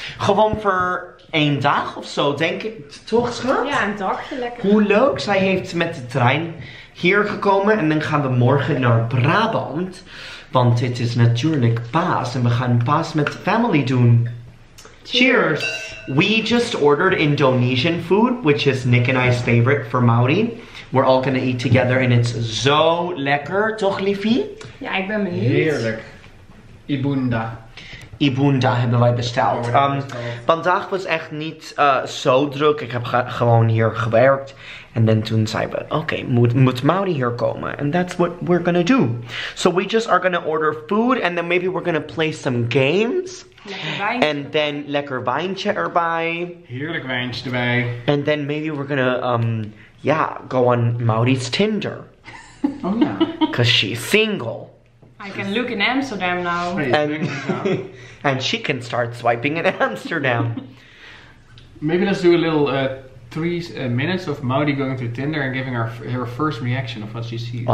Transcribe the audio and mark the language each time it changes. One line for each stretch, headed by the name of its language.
Dutch: Gewoon voor... Eén dag of zo, denk ik. Toch, schat? Ja, een dagje lekker. Hoe leuk. Zij heeft met de trein hier gekomen. En dan gaan we morgen naar Brabant. Want dit is natuurlijk paas. En we gaan paas met de family doen. Cheers.
English: We just ordered Indonesian food, which is Nick and I's favorite for Maori. We're all gonna eat together and it's
Dutch: zo lekker. Toch, Liefie? Ja, ik ben benieuwd. Heerlijk. Ibunda. Ibunda hebben wij besteld. Vandaag was echt niet zo druk. Ik heb gewoon hier gewerkt. En dan toen zeiden we, oké, moet Maudie hier komen?
English: And that's what we're gonna do. So we just are gonna order food and then maybe we're gonna play some games. And then
Dutch: lekker wijntje erbij. Heerlijk wijntje erbij.
English: And then maybe we're gonna, go on Maudie's Tinder. Oh yeah. Because she's single. I can look in Amsterdam now. And she can start swiping in Amsterdam. Maybe let's do a little 3 minutes of Maudie going through Tinder and giving her first reaction of what she sees.